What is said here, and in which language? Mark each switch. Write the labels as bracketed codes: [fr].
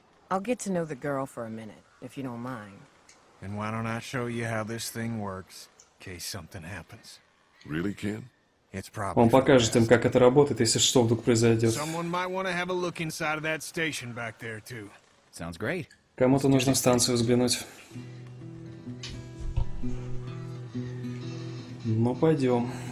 [en] I'll get to know the girl for a minute, if you don't mind. And why don't I show you how this thing works, in case something happens? Really, Ken? It's probably. [ru] Он покажет им, как это работает, если что вдруг произойдет. [en] Someone might want to have a look inside of that station back there too. Sounds great. [ru] Кому-то нужно в станцию взглянуть. Ну пойдем.